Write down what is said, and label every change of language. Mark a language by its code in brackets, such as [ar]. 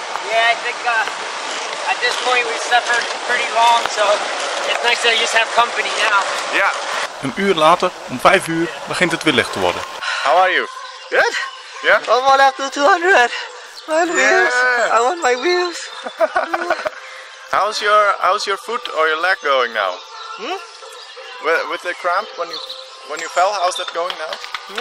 [en] Yeah, I think at this point we've suffered pretty long, so it's nice that you just have company now. Yeah. [nl] Een uur later, om 5 uur, begint het weer licht te worden. [en] How are you? Good? Yeah? I'm on up to 200. My wheels. I want my wheels. How's your foot or your leg going now? Hmm? With the cramp when you fell, how's that going now?